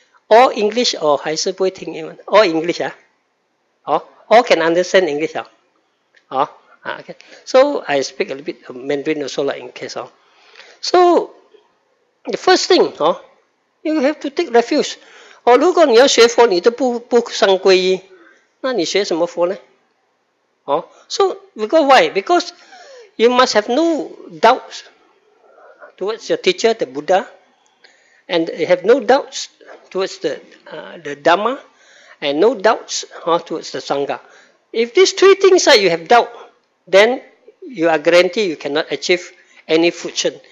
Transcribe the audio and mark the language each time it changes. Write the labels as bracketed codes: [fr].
[en] All English or [zh] 还是不会听英文? [en] All English. All can understand English. Okay. So I speak a little bit of Mandarin also, like in case. So the first thing, you have to take refuge. [zh] Or 如果你要学佛，你都不三皈依， 那你学什么佛呢？ [en] So because why? Because you must have no doubts towards your teacher, the Buddha, and you have no doubts towards the Dharma, and no doubts towards the Sangha. If these three things are you have doubt, then you are guaranteed you cannot achieve any fortune.